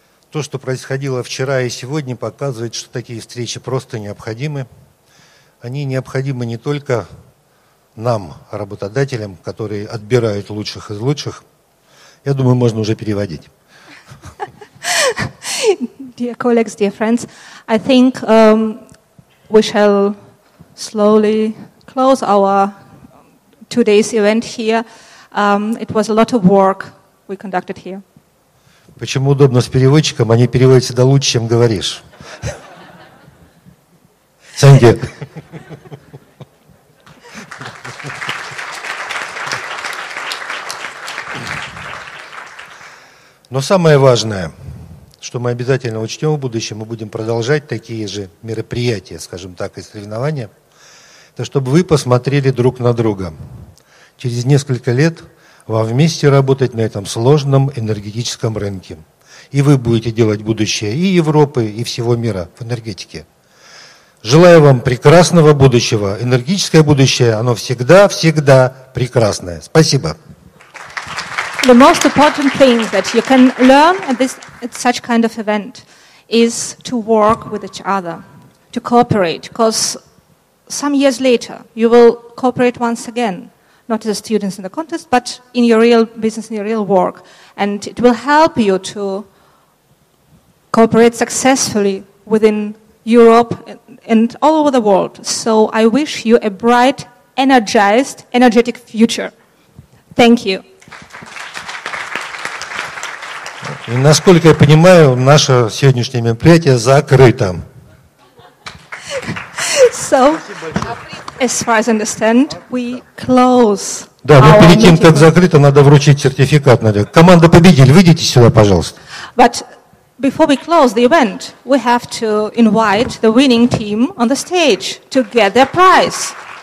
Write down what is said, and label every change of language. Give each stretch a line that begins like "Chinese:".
Russian: То, что происходило вчера и сегодня, показывает, что такие встречи просто необходимы. Они необходимы не только нам, работодателям, которые отбирают лучших из лучших. Я думаю, можно уже переводить.
English: Dear colleagues, dear friends, I think we shall slowly close our today's event here. It was a lot of work we conducted here.
Russian: Почему удобно с переводчиком? Они переводят всегда лучше, чем говоришь.
English: Thank you.
Russian: Но самое важное, что мы обязательно учтем в будущем, мы будем продолжать такие же мероприятия, скажем так, и соревнования, это чтобы вы посмотрели друг на друга. Через несколько лет вам вместе работать на этом сложном энергетическом рынке. И вы будете делать будущее и Европы, и всего мира в энергетике. Желаю вам прекрасного будущего. Энергетическое будущее, оно всегда-всегда прекрасное. Спасибо.
English: The most important thing that you can learn at such kind of event is to work with each other, to cooperate, because some years later you will cooperate once again, not as students in the contest, but in your real business, in your real work, and it will help you to cooperate successfully within Europe and all over the world. So I wish you a bright, energized, energetic future. Thank you.
Russian: И насколько я понимаю, наше сегодняшнее мероприятие закрыто.
English: So, as far as I understand, we close.
Russian: Да, но перед тем, как закрыто, надо вручить сертификат. Команда победитель, выйдите сюда, пожалуйста.
English: But before we close the event, we have to invite the winning team on the stage to get their prize.